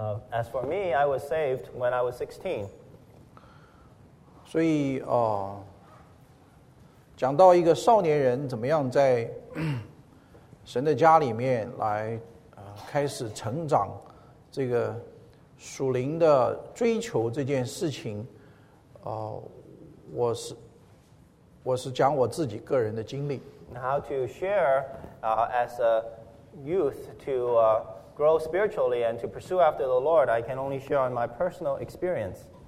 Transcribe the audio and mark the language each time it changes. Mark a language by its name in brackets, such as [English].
[English] As for me, I was saved when I was 16. [Chinese] 所以讲到一个少年人怎么样在神的家里面来开始成长，这个属灵的追求这件事情，我是讲我自己个人的经历。 [English] How to share as a youth to grow spiritually and to pursue after the Lord, I can only share on my personal experience.